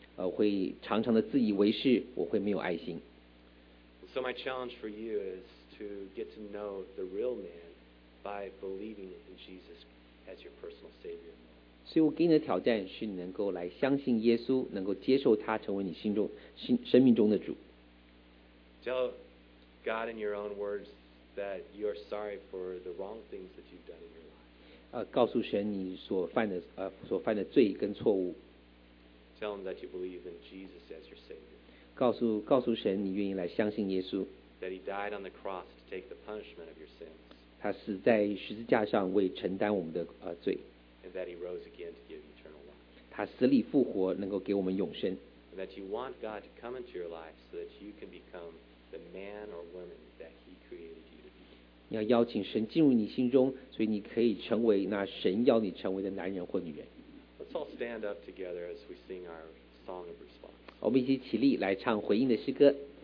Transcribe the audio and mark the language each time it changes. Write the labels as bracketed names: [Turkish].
[Chinese] 会常常的自以为是，我会没有爱心。 [English] So my challenge for you is to get to know the real man by believing in Jesus as your personal savior. [Chinese] 所以我给你的挑战是你能够来相信耶稣，能够接受他成为你生命中的主。 [English] Tell God in your own words that you are sorry for the wrong things that you've done in your life. [Chinese] 告诉神你所犯的罪跟错误。 [English] Tell him that you believe in Jesus as your Savior. [Chinese] 告诉神你愿意来相信耶稣。 [English] That he died on the cross to take the punishment of your sins. [Chinese] 他死在十字架上为承担我们的罪。 [English] And that he rose again to give eternal life. [Chinese] 他死里复活能够给我们永生。 [English] And that you want God to come into your life so that you can become the man or woman that he created you to be. [Chinese] 你要邀请神进入你心中，所以你可以成为那神要你成为的男人或女人。 [English] Let's all stand up together as we sing our song of response. [Chinese] 我们一起起立来唱回应的诗歌。